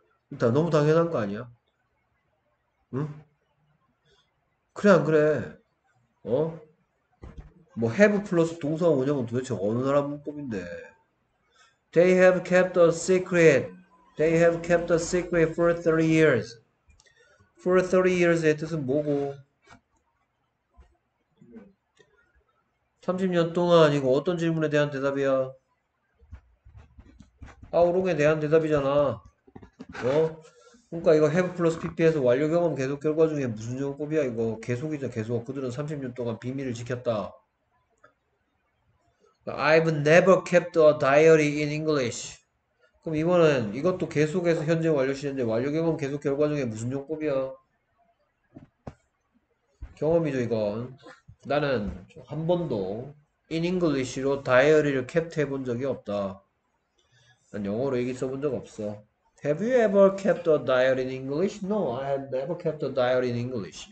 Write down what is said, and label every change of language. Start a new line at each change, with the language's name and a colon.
Korean: 일단 너무 당연한 거 아니야? 응? 그래 안 그래? 어? 뭐 have 플러스 동사 원형은 도대체 어느 나라 문법인데?
English: They have kept a secret. They have kept a secret for 30 years. For 30 years의
Korean: 뜻은 뭐고? 30년 동안 이거 어떤 질문에 대한 대답이야? 아우롱에 대한 대답이잖아. 그러니까 이거 have plus pp에서 완료 경험 계속 결과 중에 무슨 조건이야? 이거 계속이자 계속. 그들은 30년 동안 비밀을 지켰다.
English: I've never kept a diary in English.
Korean: 그럼 이번엔 이것도 계속해서 현재 완료 시제인데 완료 경험 계속 결과 중에 무슨 조건이야? 경험이죠 이건. 나는 한 번도
English: in English
Korean: 로 diary를 kept 해본 적이 없다. 난 영어로 얘기 써본 적 없어.
English: Have you ever kept a diary in English? No, I have never kept a diary in English.